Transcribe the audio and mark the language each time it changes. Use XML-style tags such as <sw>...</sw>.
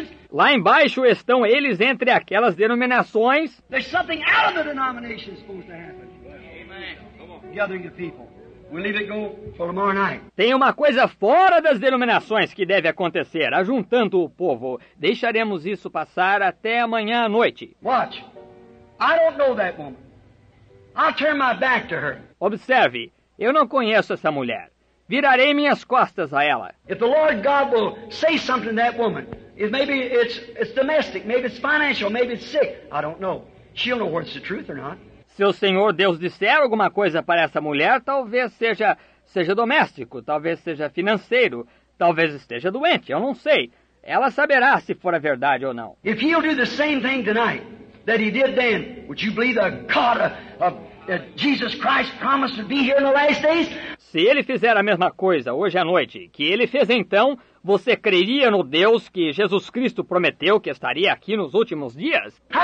<pt>Lá embaixo estão eles entre aquelas denominações.</pt> <en>There's something out of the denominations supposed to happen. Amen. Come on. We'll leave it go for tomorrow night.</en> <pt>Tem uma coisa fora das denominações que deve acontecer, ajuntando o povo. Deixaremos isso passar até amanhã à noite.</pt> <en>Watch. I don't know that woman. I'll turn my back to her.</en> <pt>Observe. Eu não conheço essa mulher. Virarei minhas costas a ela.</pt> <en>If the Lord God will say something to that woman, if maybe it's domestic, maybe it's financial, maybe it's sick, I don't know. She'll know whether it's the truth or not.</en> <pt>Se o Senhor Deus disser alguma coisa para essa mulher, talvez seja doméstico, talvez seja financeiro, talvez esteja doente, eu não sei. Ela saberá se for a verdade ou não.</pt> <en>If he'll do the same thing tonight that he did then, would you believe the God of Jesus Christ promised to be here in the last days?</en> <pt>Se ele fizer a mesma coisa hoje à noite que ele fez então, você creria no Deus que Jesus Cristo prometeu que estaria aqui nos últimos dias?</pt>